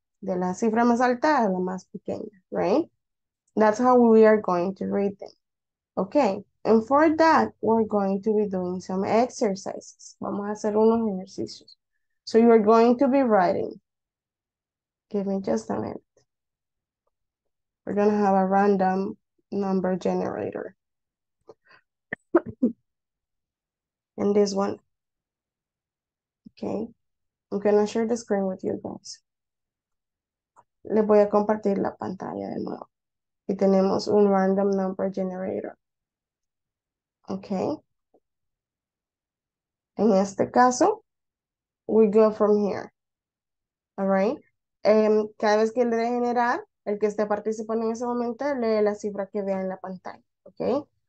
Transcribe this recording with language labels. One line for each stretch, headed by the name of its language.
Spanish: De la cifra más alta a la más pequeña.
English: Right? That's how we are going to read them. ¿Ok? And for that, we're going to be doing some exercises.
Spanish: Vamos a hacer unos ejercicios.
English: So you are going to be writing. Give me just a minute. We're going to have a random number generator. And this one. Okay. I'm going to share the screen with you guys.
Spanish: Le voy a compartir la pantalla de nuevo. Y tenemos un random number generator. Okay. En este caso,
English: we go from here, all right?
Spanish: Cada vez que le de generar, el que esté participando en ese momento, lee la cifra que vea en la pantalla, okay?